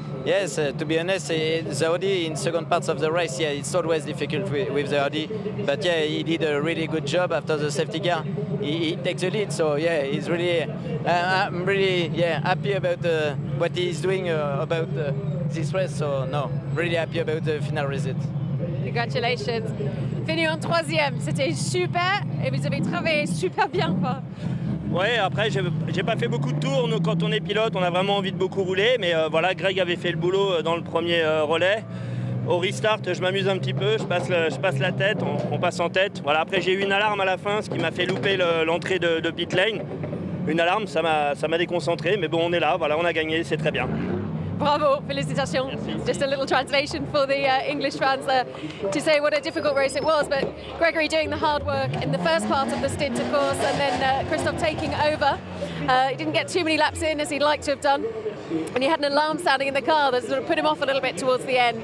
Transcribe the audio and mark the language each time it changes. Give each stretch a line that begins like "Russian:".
English: Yes, to be honest, the Audi in second parts of the race, yeah, it's always difficult with the Audi. But yeah, he did a really good job after the safety car. He takes the lead, so yeah, he's really, I'm really happy about what he's doing about this race. So no, really happy about the final result. Congratulations.
French: Fini en troisième, c'était super et vous avez travaillé super bien. Oui, après, j'ai pas fait beaucoup de tours. Nous, quand on est pilote, on a vraiment envie de beaucoup rouler. Mais voilà, Greg avait fait le boulot dans le premier relais. Au restart, je m'amuse un petit peu, je passe la tête, on passe en tête. Voilà, après, j'ai eu une alarme à la fin, ce qui m'a fait louper l'entrée de pit lane. Une alarme, ça m'a déconcentré, mais bon, on est là, voilà, on a gagné, c'est très bien. Bravo, félicitations. Merci.
English: Just a little translation for the English fans there to say what a difficult race it was. But Gregory doing the hard work in the first part of the stint, of course, and then Christophe taking over. He didn't get too many laps in as he'd like to have done. And he had an alarm sounding in the car that sort of put him off a little bit towards the end.